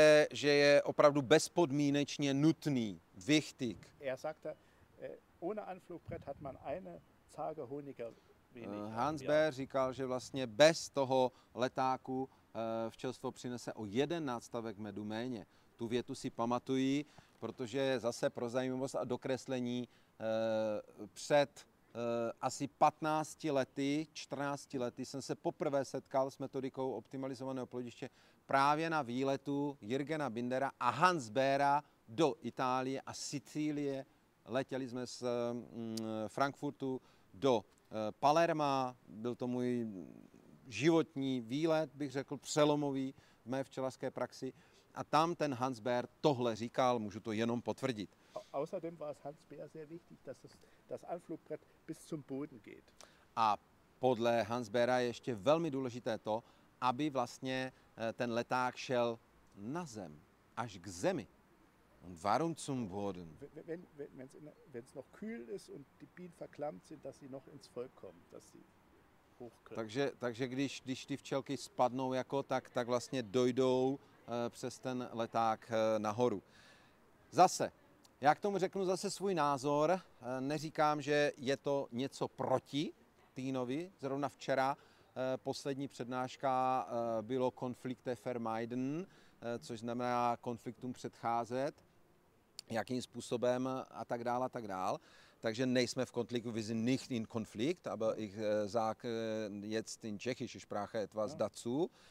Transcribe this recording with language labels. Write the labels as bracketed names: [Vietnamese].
[Czech] Že je opravdu bezpodmínečně nutný, wichtig. [German] Er sagte, ohne Anflugbrett hat man eine Zarge Honiger. [Czech] Hans Bär říkal, že vlastně bez toho letáku včelstvo přinese o jeden nástavek medu méně. Tu větu si pamatuji, protože zase pro zajímavost a dokreslení před asi 15 lety, 14 lety jsem se poprvé setkal s metodikou optimalizovaného plodiště právě na výletu Jürgena Bindera a Hans Bära do Itálie a Sicílie. Letěli jsme z Frankfurtu do Palerma, byl to můj životní výlet, bych řekl, přelomový v mé včelařské praxi. A tam ten Hans Bär tohle říkal, můžu to jenom potvrdit. [German] Außerdem war es Hans Bär sehr wichtig, dass das Anflugbrett bis zum Boden geht. [Czech] A podle Hans Bära je ještě velmi důležité to, aby vlastně ten leták šel na zem, až k zemi. [German] Und warum zum Boden? Wenn es noch kühl ist und die Bienen verklemmt sind, dass sie noch ins Volk kommen, dass sie hoch können. [Czech] Takže když ty včelky spadnou jako tak vlastně dojdou přes ten leták nahoru. Zase, já k tomu řeknu zase svůj názor, neříkám, že je to něco proti Týnovi, zrovna včera poslední přednáška bylo [German] konflikte Vermeiden, [Czech] což znamená konfliktům předcházet, jakým způsobem a tak dále a tak dále. Takže nejsme v konfliktu, [German] wir sind nicht in Konflikt, aber ich sage jetzt in tschechische Sprache etwas dazu.